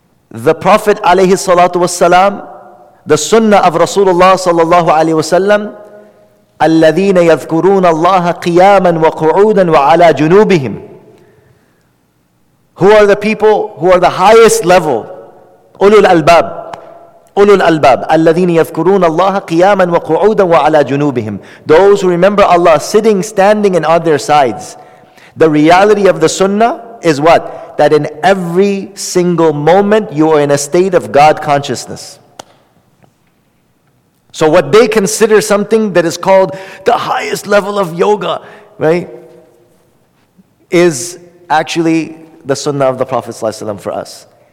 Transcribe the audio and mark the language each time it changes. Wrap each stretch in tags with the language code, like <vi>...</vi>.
<en>The Prophet alayhi salatu wasalam, the sunnah of Rasulullah sallallahu alayhi wasallam,</en> <ar>الذين يذكرون الله قياما وقعودا وعلى جنوبهم.</ar> <en>Who are the people who are the highest level? Ulul Albab.</en> <ar>الذين يذكرون الله قياما وقعودا وعلى جنوبهم.</ar> <en>Those who remember Allah sitting, standing, and on their sides. The reality of the sunnah is what? That in every single moment you are in a state of God consciousness. So what they consider something that is called the highest level of yoga, right, is actually the sunnah of the Prophet ﷺ for us.</en>